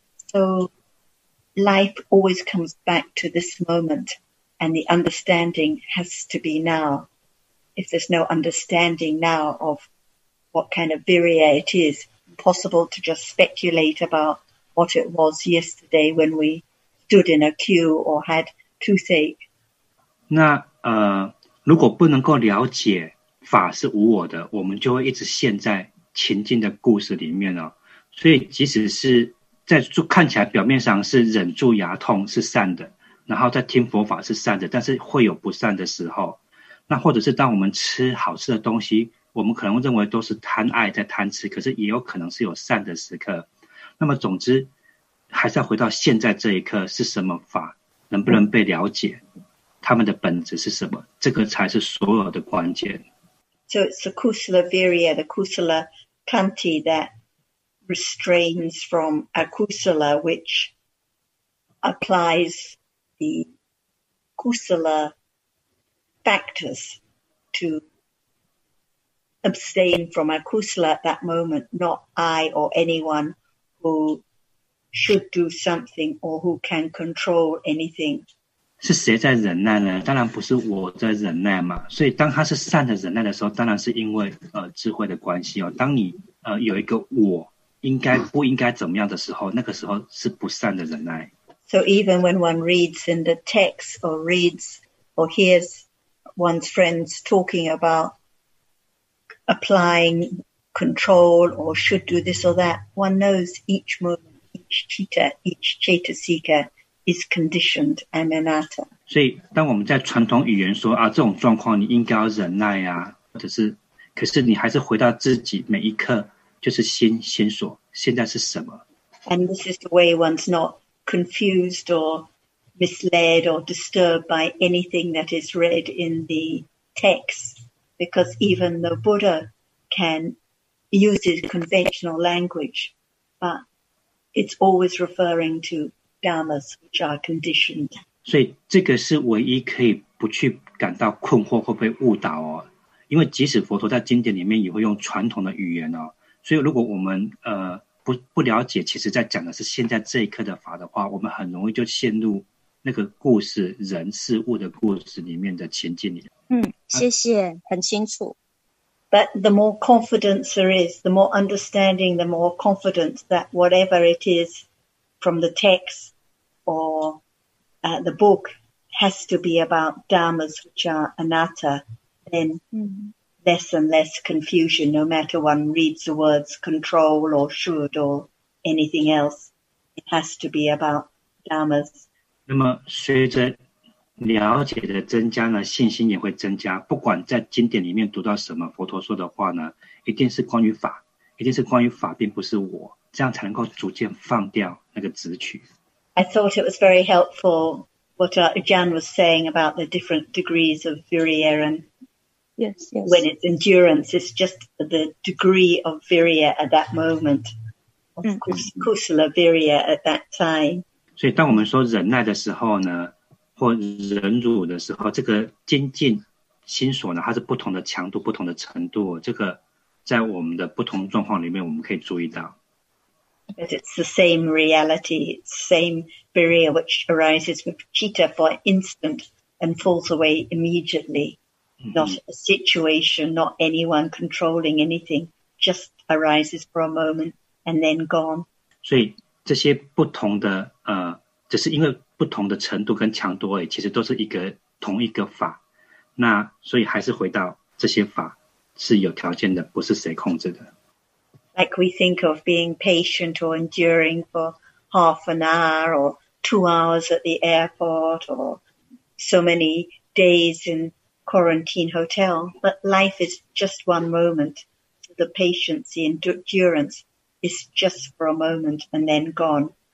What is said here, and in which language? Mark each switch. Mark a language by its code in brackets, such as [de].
[en] So life always comes back to this moment, and the understanding has to be now. If there's no understanding now of what kind of virya it is, impossible to just speculate about what it was yesterday when we stood in a queue or had toothache. [zh] 那如果不能够了解法是无我的，我们就会一直陷在情境的故事里面哦。所以即使是在就看起来表面上是忍住牙痛是善的，然后在听佛法是善的，但是会有不善的时候。那或者是当我们吃好吃的东西，我们可能认为都是贪爱在贪吃，可是也有可能是有善的时刻。那么总之还是要回到现在这一刻，是什么法能不能被了解，他们的本质是什么，这个才是所有的关键。 [en] So it's the kusala virya, the kusala kanti thatrestrains from akusala, which applies the kusala factors to abstain from akusala at that moment, not I or anyone who should do something or who can control anything. [zh] 是谁在忍耐呢？当然不是我在忍耐嘛。所以当他是善的忍耐的时候，当然是因为智慧的关系哦。当你有一个我应该不应该怎么样的时候，那个时候是不善的忍耐。 [en] So even when one reads in the text or reads or hears one's friends talking about applying control or should do this or that, one knows each moment, each citta, each chetasika is conditioned and anatta. [zh] 所以当我们在传统语言说啊，这种状况你应该要忍耐啊，或者是，可是你还是回到自己每一刻就是心所现在是什么。 [en] And this is the way one's not confused or misled or disturbed by anything that is read in the text, because even the Buddha can use his conventional language, but it's always referring to dhammas, which are conditioned. [zh] 所以这个是唯一可以不去感到困惑或被误导哦，因为即使佛陀在经典里面也会用传统的语言哦，所以如果我们不了解，其实在讲的是现在这一刻的法的话，我们很容易就陷入那个故事人事物的故事里面的情境里。嗯，谢谢，很清楚。 [en] But the more confidence there is, the more understanding, the more confidence that whatever it is from the text or the book has to be about dharmas which are anatta, then less and less confusion, no matter one reads the words control or should or anything else, it has to be about dharmas. [zh] 那么随着了解的增加呢，信心也会增加。不管在经典里面读到什么，佛陀说的话呢，一定是关于法，一定是关于法，并不是我，这样才能够逐渐放掉那个执取。 [en] I thought it was very helpful what Ajahn was saying about the different degrees of viriya. Yes, yes. When it's endurance, it's just the degree of viriya at that moment. Of course, kusala viriya at that time. [zh] 所以当我们说忍耐的时候呢，或忍辱的时候，这个精进心所呢，它是不同的强度、不同的程度。这个在我们的不同状况里面，我们可以注意到。 [en] But it's the same reality, same viriya which arises with citta for instant and falls away immediately. Not a situation, not anyone controlling anything, just arises for a moment and then gone. [zh] 所以这些不同的只是因为不同的程度跟强度而已，其实都是一个同一个法。那所以还是回到这些法是有条件的，不是谁控制的。 [en] Like we think of being patient or enduring for half an hour or 2 hours at the airport or so many days in quarantine hotel, but life is just one moment. The patience, the endurance is just for a moment and then gone.